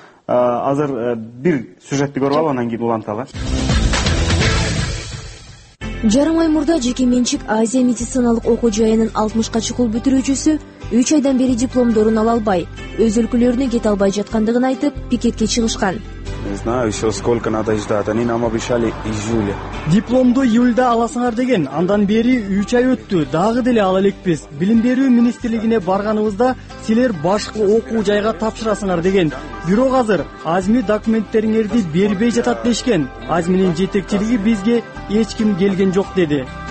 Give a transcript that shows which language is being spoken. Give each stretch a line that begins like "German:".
Kyrgyz: Азыр бир сюжетти көрүп алып, анан кийин уланталы. Жарым ай мурда жеке менчик Азия медициналык окуу жайынын 60 чукул бүтүрүүчүсү 3 айдан бери дипломдорун ала албай, өз өлкөлөрүнө кете албай жаткандыгын айтып пикетке чыгышкан.
Russian: Не знаю еще сколько надо ждать, они нам обещали июля.
Kyrgyz: Дипломду июлда аласыңар деген, андан бери 3 ай өттү, дагы деле ала элекпиз. Билим берүү министрлигине барганыбызда силер башкы окуу жайга тапшырасыңар деген. Бирок азыр АЗМИ документтериңерди бербей жатат дешкен. АЗМИнин жетекчилиги бизге эч ким келген жок деди.